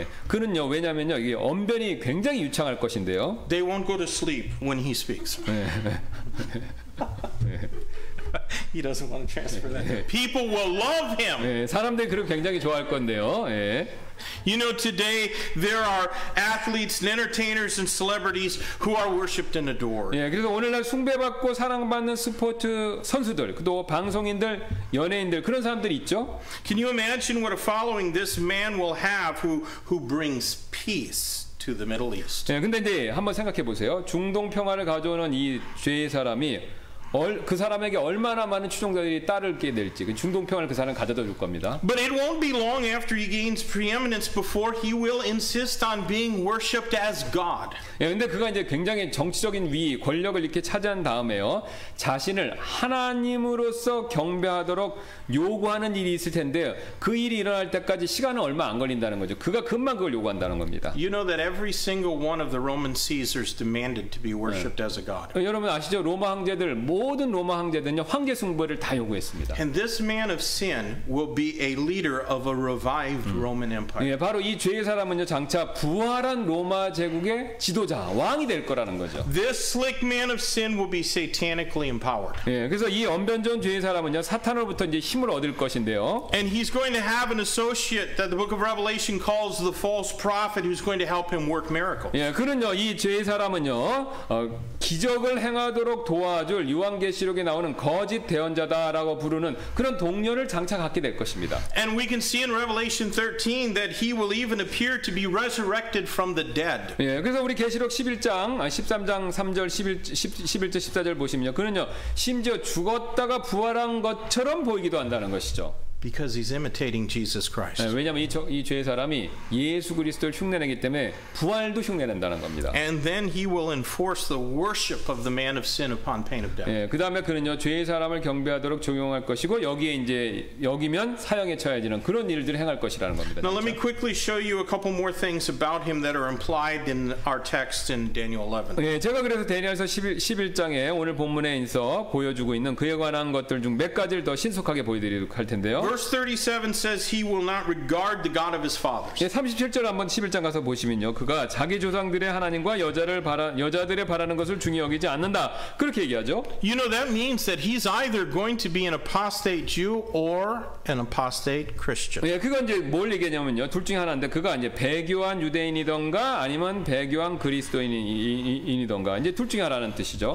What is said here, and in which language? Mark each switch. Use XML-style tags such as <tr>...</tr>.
<ko>예, 그는요, 왜냐면요, 이게 언변이 굉장히 유창할 것인데요.</ko> <en>They won't go to sleep when he speaks. He doesn't want to transfer that. People will love him.</en> <ko>예, 사람들이 그를 굉장히 좋아할 건데요. 예.</ko> <en>You know, today there are athletes and entertainers and celebrities who are worshipped and adored.</en> <ko>예, 그래서 오늘날 숭배받고 사랑받는 스포츠 선수들, 또 방송인들, 연예인들 그런 사람들이 있죠.</ko> <en>Can you imagine what a following this man will have who brings peace to the Middle East?</en> <ko>예, 근데 이제 한번 생각해 보세요. 중동 평화를 가져오는 이 죄의 사람이 그 사람에게 얼마나 많은 추종자들이 따르게 될지 그 중동 평화를 그 사람 가져다 줄 겁니다.</ko> <en>But it won't be long after he gains preeminence before he will insist on being worshipped as God.</en> <ko>예, 근데 그가 이제 굉장히 정치적인 위 권력을 이렇게 차지한 다음에요 자신을 하나님으로서 경배하도록 요구하는 일이 있을 텐데 그 일이 일어날 때까지 시간은 얼마 안 걸린다는 거죠. 그가 금방 그걸 요구한다는 겁니다.</ko> <en>You know that every single one of the Roman Caesars demanded to be worshipped as a god.</en> <ko>예, 여러분 아시죠? 로마 황제들 모든 로마 황제들은요 황제 숭배를 다 요구했습니다.</ko> <en>And this man of sin will be a leader of a revived Roman Empire.</en> <ko>예, 바로 이 죄의 사람은요 장차 부활한 로마 제국의 지도자 왕이 될 거라는 거죠.</ko> <en>This slick man of sin will be satanically empowered.</en> <ko>예, 그래서 이 언변전 죄의 사람은요 사탄으로부터 이제 힘을 얻을 것인데요.</ko> <en>And he's going to have an associate that the Book of Revelation calls the false prophet, who's going to help him work miracles.</en> <ko>예, 그런요 이 죄의 사람은요 기적을 행하도록 도와줄 유한계시록에 나오는 거짓 대언자다라고 부르는 그런 동료를 장차 갖게 될 것입니다.</ko> <en>And we can see in Revelation 13 that he will even appear to be resurrected from the dead.</en> <ko>예, 그래서 우리 계시록 11장 13장 3절 11절 14절 보시면요. 그는요. 심지어 죽었다가 부활한 것처럼 보이기도 한다는 것이죠.</ko> <en>Because he's imitating Jesus Christ.</en> <ko>네, 왜냐하면 이 죄의 사람이 예수 그리스도를 흉내내기 때문에 부활도 흉내낸다는 겁니다.</ko> <en>And then he will enforce the worship of the man of sin upon pain of death.</en> <ko>예, 네, 그 다음에 그는요 죄의 사람을 경배하도록 종용할 것이고 여기에 이제 여기면 사형에 처해지는 그런 일들을 행할 것이라는 겁니다.</ko> <en>Now 그렇죠? let me quickly show you a couple more things about him that are implied in our text in Daniel 11.</en> <ko>예, 네, 제가 그래서 다니엘서 11장에 오늘 본문에서 보여주고 있는 그에 관한 것들 중 몇 가지를 더 신속하게 보여드리도록 할 텐데요.</ko> <en>Verse 37 says he will not regard the God of his fathers.</en> <ko>예, 37절 한번 11장 가서 보시면요. 그가 자기 조상들의 하나님과 여자들의 바라는 것을 중히 여기지 않는다. 그렇게 얘기하죠.</ko> <en>You know that means that he's either going to be an apostate Jew or an apostate Christian.</en> <ko>예, 그건 이제 뭘 얘기냐면요. 둘 중에 하나인데 그가 이제 배교한 유대인이던가 아니면 배교한 그리스도인이던가 이제 둘 중에 하나라는 뜻이죠.</ko>